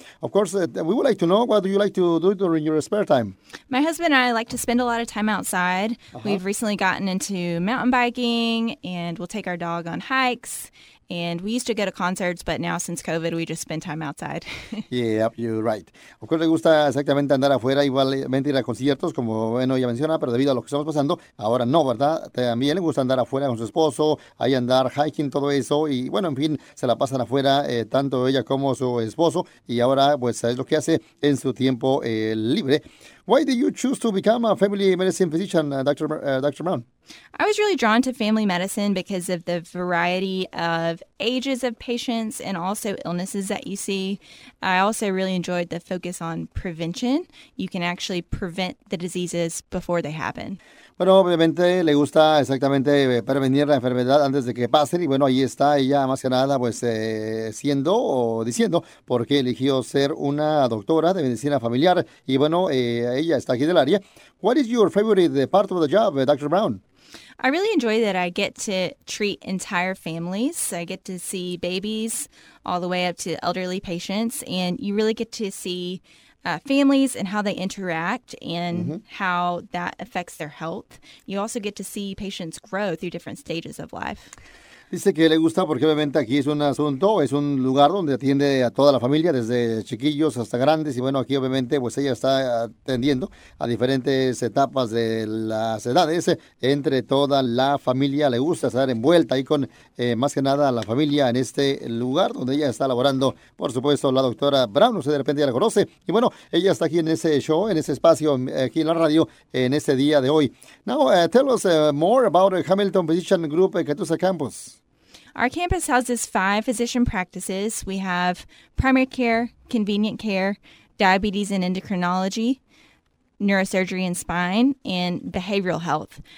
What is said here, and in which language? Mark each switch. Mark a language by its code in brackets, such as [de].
[en] Of course, we would like to know, what do you like to do during your spare time? My husband and I like to spend a lot of time outside. Uh-huh. We've recently gotten into mountain biking and we'll take our dog on hikes. And we used to go to concerts, but now since COVID, we just spend time outside. Yeah, you're right. Of course, [es] le gusta exactamente andar afuera, igualmente ir a conciertos, como bueno, ya menciona, pero debido a lo que estamos pasando, ahora no, ¿verdad? También le gusta andar afuera con su esposo, ahí andar hiking, todo eso, y bueno, en fin, se la pasan afuera tanto ella como su esposo, y ahora pues es lo que hace en su tiempo libre. [en] Why did you choose to become a family medicine physician, Dr. Brown? I was really drawn to family medicine because of the variety of ages of patients and also illnesses that you see. I also really enjoyed the focus on prevention. You can actually prevent the diseases before they happen. [es] Bueno, obviamente le gusta exactamente prevenir la enfermedad antes de que pase. Y bueno, ahí está ella más que nada pues siendo o diciendo por qué eligió ser una doctora de medicina familiar. Y bueno, ella está aquí del área. [en] What is your favorite part of the job, Dr. Brown? I really enjoy that I get to treat entire families. I get to see babies all the way up to elderly patients. And you really get to see families and how they interact and mm-hmm. how that affects their health. You also get to see patients grow through different stages of life. [es] Dice que le gusta porque obviamente aquí es un asunto, es un lugar donde atiende a toda la familia, desde chiquillos hasta grandes. Y bueno, aquí obviamente pues ella está atendiendo a diferentes etapas de las edades entre toda la familia. Le gusta estar envuelta ahí con más que nada la familia en este lugar donde ella está laborando. Por supuesto, la doctora Brown, usted de repente ya la conoce. Y bueno, ella está aquí en ese show, en ese espacio, aquí en la radio, en este día de hoy. [en] Now, tell us more about Hamilton Physician Group Catoosa Campus. Our campus houses 5 physician practices. We have primary care, convenient care, diabetes and endocrinology, neurosurgery and spine, and behavioral health.